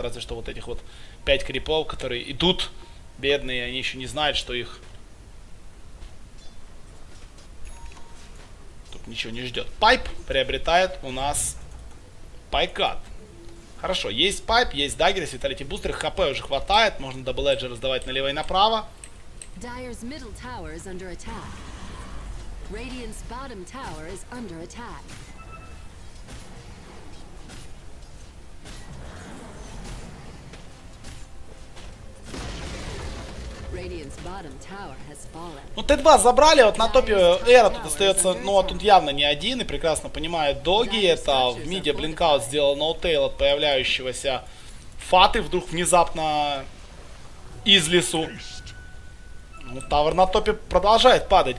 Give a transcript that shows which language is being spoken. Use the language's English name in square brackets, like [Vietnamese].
[Russian] Разве что вот этих вот 5 крипов, которые идут. Бедные, они еще не знают, что их... Тут ничего не ждет. Пайп приобретает у нас Пайкат. Хорошо, есть пайп, есть даггер, есть виталити бустер. ХП уже хватает. Можно дабл эджи раздавать налево и направо. [English] Dire's middle tower is under attack. Radiant's bottom tower is under attack. Radiant's bottom tower has fallen. [Russian] Ну, Т2 забрали, вот на топе Эра тут остается, ну, а тут явно не один, и прекрасно понимает Доги, это в миде блинкаут сделал ноутейл от появляющегося Фаты, вдруг внезапно из лесу. Ну, тавер на топе продолжает падать.